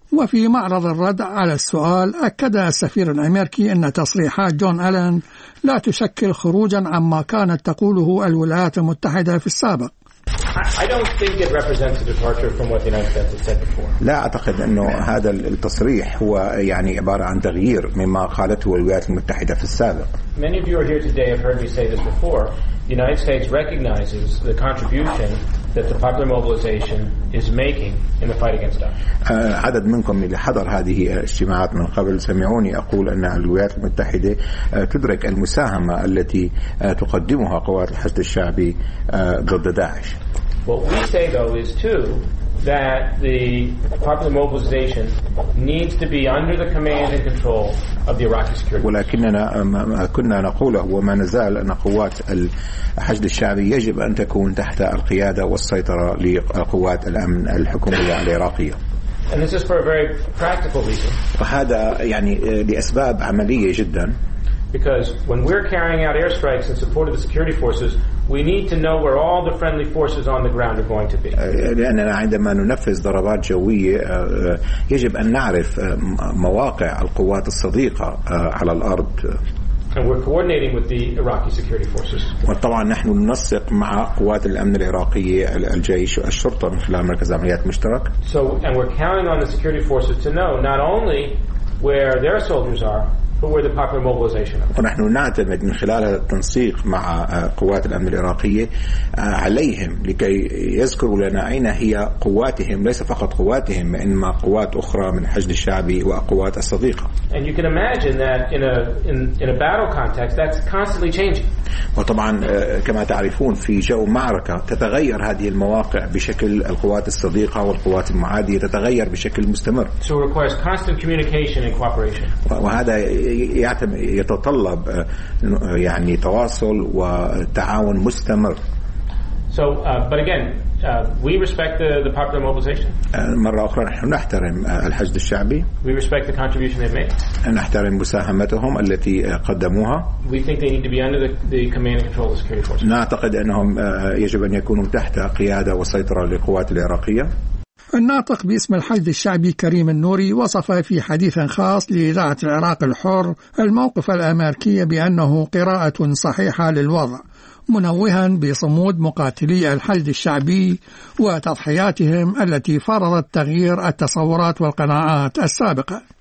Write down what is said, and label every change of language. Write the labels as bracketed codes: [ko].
[ar] وفي معرض الرد على السؤال أكد السفير الأمريكي أن تصريحات جون ألن لا تشكل خروجا عما كانت تقوله الولايات المتحدة في السابق. لا أعتقد أنه هذا التصريح هو يعني عبارة عن تغيير مما قالته الولايات المتحدة في السابق. [en] Many of you are here today have heard me say this before. The United States recognizes the contribution that the popular mobilization is making in the fight against us. [ar] عدد منكم اللي حضر هذه الاجتماعات من قبل سمعوني أقول أن الولايات المتحدة تدرك المساهمة التي تقدمها قوات الحشد الشعبي ضد داعش. [en] What we say though is too that the popular mobilization needs to be under the command and control of the Iraqi security. [ar] ولكننا كنا نقوله وما نزال أن قوات الحشد الشعبي يجب أن تكون تحت القيادة والسيطرة لقوات الأمن الحكومية العراقية. [en] And this is for a very practical reason. [ar] وهذا يعني لأسباب عملية جدا. [en] Because when we're carrying out airstrikes in support of the security forces, we need to know where all the friendly forces on the ground are going to be. [ar] لأننا عندما ننفذ ضربات جوية يجب أن نعرف مواقع القوات الصديقة على الأرض. [en] And we're coordinating with the Iraqi security forces. [ar] وطبعا نحن ننسق مع قوات الأمن العراقية الجيش والشرطة من خلال مركز عمليات مشترك. [en] So and we're counting on the security forces to know not only where their soldiers are. Where the popular mobilization is. [ar] ونحن نعتمد من خلال التنسيق مع قوات الأمن العراقية عليهم لكي يذكروا لنا أين هي قواتهم، ليس فقط قواتهم إنما قوات أخرى من الحشد الشعبي وقوات الصديقة. [en] And you can imagine that in a battle context, that's constantly changing. [ar] وطبعا كما تعرفون في جو معركة تتغير هذه المواقع بشكل القوات الصديقة والقوات المعادية تتغير بشكل مستمر. [en] So it requires constant communication and cooperation. [ar] وهذا يتطلب يعني تواصل وتعاون مستمر. [en] So, but again, we respect the popular mobilization. [ar] مرة أخرى نحن نحترم الحشد الشعبي. [en] We respect the contribution they've made. [ar] نحترم مساهمتهم التي قدموها. [en] We think they need to be under the command and control of the security forces. [ar] نعتقد أنهم يجب أن يكونوا تحت قيادة وسيطرة للقوات العراقية. الناطق باسم الحشد الشعبي كريم النوري وصف في حديث خاص لإذاعة العراق الحر الموقف الأمريكي بأنه قراءة صحيحة للوضع، منوها بصمود مقاتلي الحشد الشعبي وتضحياتهم التي فرضت تغيير التصورات والقناعات السابقة.